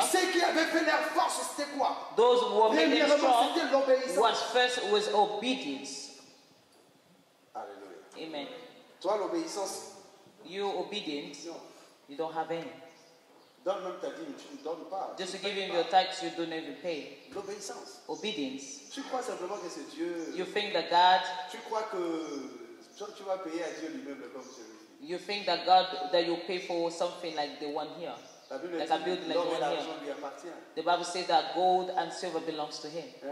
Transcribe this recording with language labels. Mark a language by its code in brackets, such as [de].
[fr] Ceux qui avaient fait leur force, c'était quoi? [en] Those who were made strong. [fr] C'était l'obéissance. [en] Was first was obedience. Alléluia. Amen. [fr] Toi, l'obéissance. [en] You obedience. [fr] Non. [en] You don't have any. [fr] Donne même ta dîme, tu ne donnes pas. [en] Just to give him your tax, you don't even pay. [fr] L'obéissance. [en] Obedience. [fr] Tu crois simplement que c'est Dieu. [en] You think that God. [fr] Tu crois que toi, tu vas payer à Dieu lui-même le compte. [en] You think that God, that you pay for something like the one here. Bible like a building like the one here. The Bible says that gold and silver belongs to him.